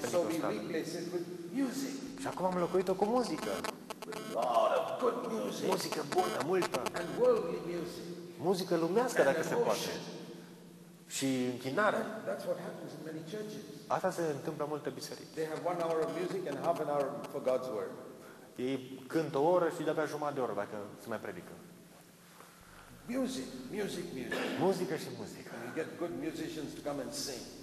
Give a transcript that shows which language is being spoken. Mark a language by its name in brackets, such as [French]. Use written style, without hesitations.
[Romanian] pentecostale. So și acum am înlocuit-o cu muzică. [English] Good music. [Romanian] Muzică bună, multă. [English] And worldly music. [Romanian] Muzică lumească, [English] and [Romanian] dacă se poate. Și închinare. [English] That's what happens in many churches. [Romanian] Asta se întâmplă în multe biserici. [English] They have one hour of music and half an hour for God's word. [Romanian] Ei cântă o oră și de-abia jumătate de oră dacă se mai predică. [English] Music, music, music. [Romanian] Muzică și muzică. [English] And we get good musicians to come and sing.